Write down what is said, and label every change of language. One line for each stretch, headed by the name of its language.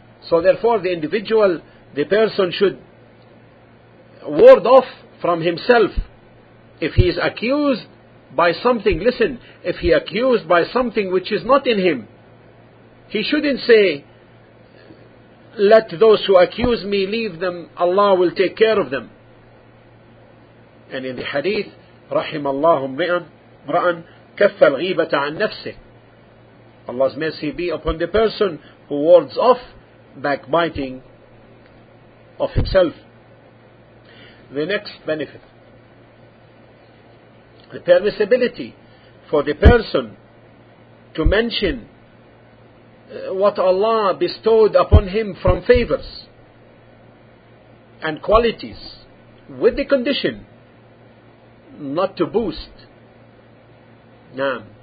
English: So therefore the individual, the person should ward off from himself. If he is accused by something, listen, if he is accused by something which is not in him, he shouldn't say, let those who accuse me, leave them, Allah will take care of them. And in the hadith,
Arabic: رحم الله امرأ كف الغيبة عن نفسه.
English: Allah's mercy be upon the person who wards off backbiting of himself. The next benefit, the permissibility for the person to mention what Allah bestowed upon him from favors and qualities, with the condition not to boast. Naam.